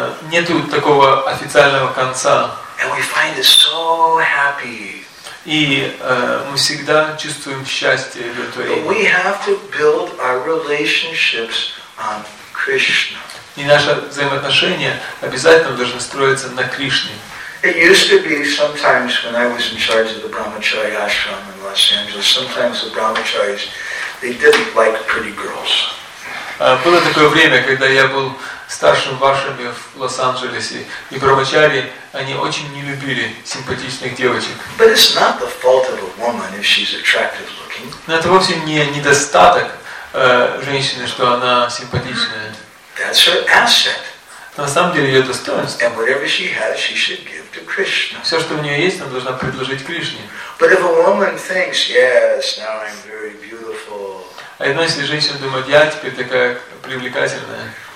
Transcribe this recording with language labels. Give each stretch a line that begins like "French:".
Russian: Нету такого официального конца.
English: And we find it so happy.
Russian: И мы всегда чувствуем счастье в этом.
English: But we have to build our relationships on Krishna.
Russian: И наши взаимоотношения обязательно должны строиться на Кришне.
English: It used to be sometimes when I was in charge of the Brahmachari Ashram in Los Angeles. Sometimes the Brahmacharis, they didn't like pretty girls.
Russian: Было такое время, когда я был старшим вашими в Лос-Анджелесе, и брахмачари, они очень не любили симпатичных девочек.
English: But it's not the fault of a woman if she's attractive looking.
Russian: Но это вовсе не недостаток женщины, что она симпатичная.
English: That's her asset.
Russian: На самом деле ее достоинство.
English: And whatever she has, she should give to Krishna.
Russian: Все, что у нее есть, она должна предложить Кришне.
English: But if a woman thinks, yes, now I'm very beautiful.
Russian: А одна если женщина думает, я теперь такая привлекательная.